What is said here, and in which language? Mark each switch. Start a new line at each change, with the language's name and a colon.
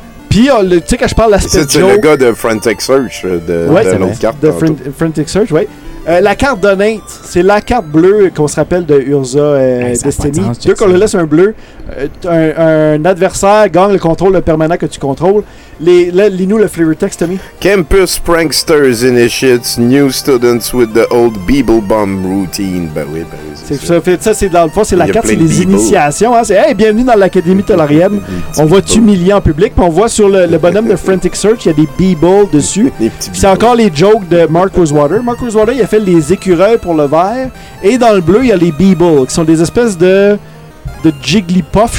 French: Puis, tu sais, quand je parle d'aspect joke... C'est le gars de Frantic Search, de l'autre carte. De Frantic Search, oui. La carte Donate, c'est la carte bleue qu'on se rappelle de Urza Destiny. Deux qu'on le laisse un bleu, un adversaire gagne le contrôle permanent que tu contrôles. Lis-nous le flavor text, Tommy.
English: Campus Pranksters Initiates New Students with the Old Beeble Bomb Routine.
French: Ben oui, Ça, c'est dans le fond, c'est la carte, c'est les initiations. Hein, c'est hey, bienvenue dans l'Académie Tolarienne. On va t'humilier en public. Puis on voit sur le bonhomme de Frantic Search, il y a des Beeble dessus. C'est encore les jokes de Mark Rosewater. Mark Rosewater, il a fait les écureuils pour le vert. Et dans le bleu, il y a les Beeble, qui sont des espèces de Jigglypuff.